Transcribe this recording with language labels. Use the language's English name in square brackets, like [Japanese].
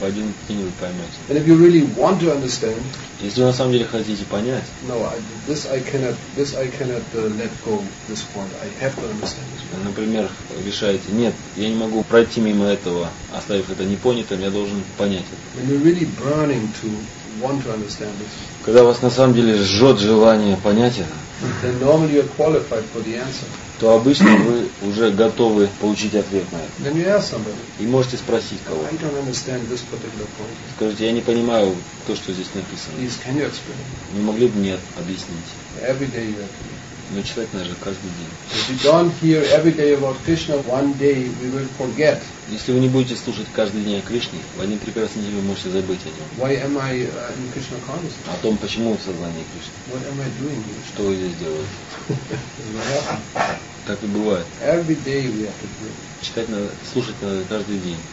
[Russian] В один день вы поймете. [English] And if you really want to understand. [Russian] Если вы на самом деле хотите понять. [English] No, I cannot let go this point. I have to understand. [Russian] Например, решаете, нет, я не могу пройти мимо этого, оставив это непонятым, я должен понять это. [English] When you're really burning to want to understand this. [Russian] Когда вас на самом деле жжет желание понять это, [English] then normally you're qualified for the answer. [Russian] То обычно вы уже готовы получить ответ на это. [English] Then you ask somebody. [Russian] И можете спросить кого. [English] I don't understand this particular point. [Russian] Скажите, я не понимаю то, что здесь написано. [English] Please, can you explain? [Russian] Не могли бы мне объяснить? [English] Every day you have to. [Russian] Но читать надо каждый день. [English] If you don't hear every day about Krishna, one day we will forget. [Russian] Если вы не будете слушать каждый день о Кришне, в один прекрасный день вы можете забыть о нем. [English] Why am I in Krishna consciousness? [Russian] О том, почему вы в сознании Кришны. [English] What am I doing here? [Russian] Что вы здесь делаете? Так и бывает. [English] Every day we have to do. [Russian] Читать надо, слушать надо каждый день.